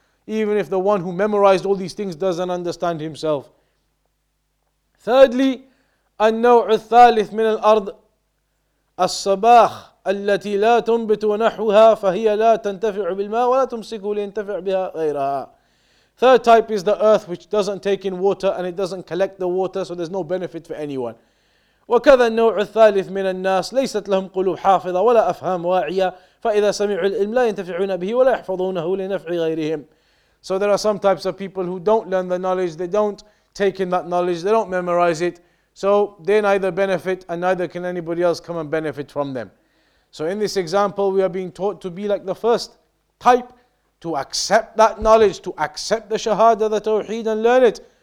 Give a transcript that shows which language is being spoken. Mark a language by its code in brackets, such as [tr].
[en] Even if the one who memorized all these things doesn't understand himself. Thirdly, [ar] النوع الثالث من الأرض الصباخ التي لا تنبت ونحوها فهي لا تنتفع بالماء ولا تمسكه لينتفع بها غيرها. [en] Third type is the earth which doesn't take in water and it doesn't collect the water, so there's no benefit for anyone. [ar] وكذا النوع الثالث من الناس ليست لهم قلوب حافظة ولا أفهام واعية فإذا سمعوا العلم لا ينتفعون به ولا يحفظونه لنفع غيرهم. [en] So there are some types of people who don't learn the knowledge, they don't take in that knowledge, they don't memorize it, so they neither benefit and neither can anybody else come and benefit from them. So in this example, we are being taught to be like the first type, to accept that knowledge, to accept the Shahada, the Tawheed, and learn it.